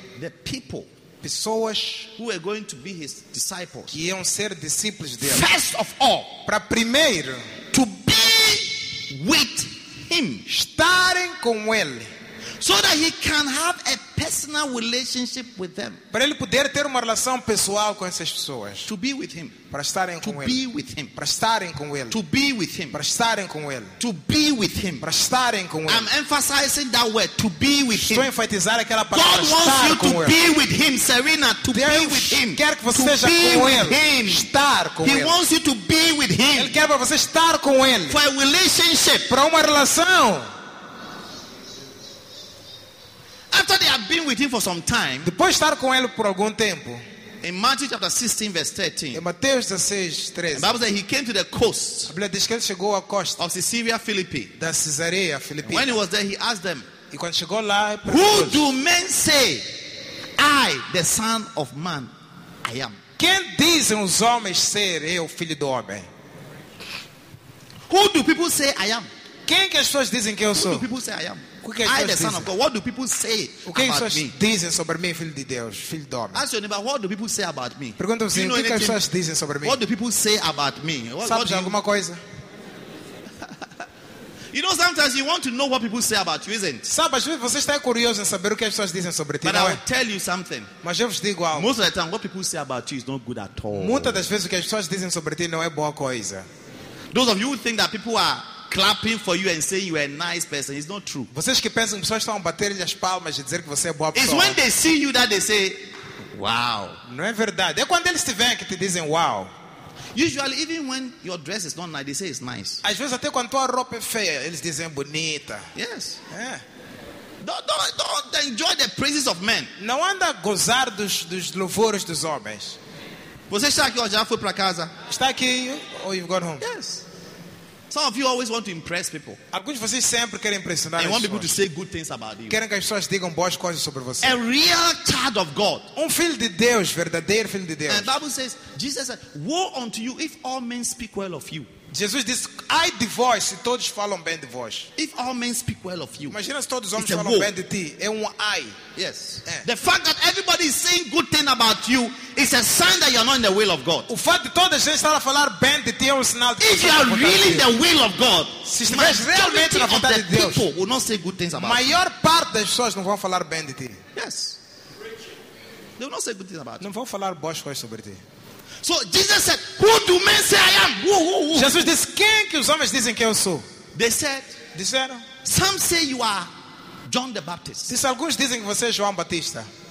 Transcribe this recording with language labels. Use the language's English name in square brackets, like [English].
[English] The people. [Portuguese] Pessoas [English] who are going to be his disciples. [Portuguese] Que iam ser discípulos dele. [English] First of all, [Portuguese] para primeiro, [English] to be with him, [Portuguese] estarem com ele, [English] so that he can have a personal relationship with them. [Portuguese] Para ele poder ter uma relação pessoal com essas pessoas. [English] To be with him, [Portuguese] para estarem com ele. [English] To be with him, [Portuguese] para estarem com ele. [English] To be with him, [Portuguese] para estarem com ele. [English] To be with him, [Portuguese] para estarem com ele. [English] I'm emphasizing that word, to be with him. [Portuguese] Estou enfatizando aquela palavra. [English] God wants you to be with him, Serena. To be with him. [Portuguese] Quer que você esteja com ele. Estar com ele. [English] He wants you to be with him. [Portuguese] Ele quer para você estar com ele. [English] For a relationship, [Portuguese] para uma relação. [English] After they have been with him for some time. [Portuguese] Depois estar com ele por algum tempo. [English] In Matthew chapter 16 verse 13. [Portuguese] Em Mateus 16, 13. [English] The Bible says he came to the coast. [Portuguese] A Bíblia diz que ele chegou à costa. [English] Of Caesarea Philippi. [Portuguese] Da Cesareia Filipina. [English] When he was there, he asked them. [Portuguese] E quando chegou lá, [English] who do men say I, the Son of Man, I am? [Portuguese] Quem dizem os homens ser eu, filho do homem? [English] Who do people say I am? [Portuguese] Quem que as pessoas dizem que eu sou? [English] Who do people say I am? [Portuguese] O que é [English] I, the Son of God. What do people say [Portuguese] o que [English] about [Portuguese] pessoas [English] me? [Portuguese] Dizem sobre mim, filho de Deus, filho do homem? [English] Ask your neighbor, what do people say about me? [Portuguese] Pergunta assim, o que as pessoas dizem sobre mim? [English] What do people say about me? [Portuguese] Sabes alguma coisa? [English] You know, sometimes you want to know what people say about you, isn't it? [Portuguese] Sabe, às vezes você está curioso em saber o que as pessoas dizem sobre ti, [English] but [Portuguese] não [English] I will [Portuguese] é? [English] Tell you something. [Portuguese] Mas eu vos digo algo. [English] Most of the time, what people say about you is not good at all. [Portuguese] Muitas das vezes o que as pessoas dizem sobre ti não é boa coisa. [English] Those of you who think that people are clapping for you and saying you are a nice person, it's not true. [Portuguese] Vocês que pensam que pessoas estão a bater as palmas e dizer que você é boa pessoa. [English] It's when they see you that they say, wow. [Portuguese] Não é verdade. É quando eles te veem que te dizem, wow. [English] Usually, even when your dress is not nice, they say it's nice. [Portuguese] Às vezes até quando tua roupa é feia, eles dizem bonita. [English] Yes. [Portuguese] É. [English] Don't enjoy the praises of men. [Portuguese] Não anda a gozar dos louvores dos homens. Você está aqui ou já foi para casa? Está aqui ou [English] you've gone home? Yes. Some of you always want to impress people. [Portuguese] Alguns de vocês sempre querem impressionar [English] and [Portuguese] as pessoas. [English] And want people to say good things about you. [Portuguese] Querem que as pessoas digam boas coisas sobre você. [English] A real child of God. [Portuguese] Um filho de Deus, verdadeiro filho de Deus. [English] And the Bible says, Jesus said, woe unto you if all men speak well of you. [Portuguese] Jesus disse, ai de vós se todos falam bem de vós. [English] If all men speak well of you. [Portuguese] Imagina se todos os homens falam bem de ti. É ai. [English] Yes. [Portuguese] É. [English] The fact that everybody is saying good things about you is a sign that you are not in the will of God. [Portuguese] O fato de toda a gente estar a falar bem de ti é um sinal de [English] if you are really in the will of God, [Portuguese] se estiveres realmente na vontade de Deus, [English] people will not say good things about [Portuguese] maior [English] you. [Portuguese] Parte das pessoas não vão falar bem de ti. [English] Yes. They will not say good things about [Portuguese] não [English] you. [Portuguese] Vão falar boas coisas sobre ti. [English] So Jesus said, who do men say I am? Who? [Portuguese] Jesus disse, quem que os homens dizem que eu sou? [English] They said, [Portuguese] disseram, [English] some say you are John the Baptist. [Portuguese] Disse, alguns dizem que você é João Batista.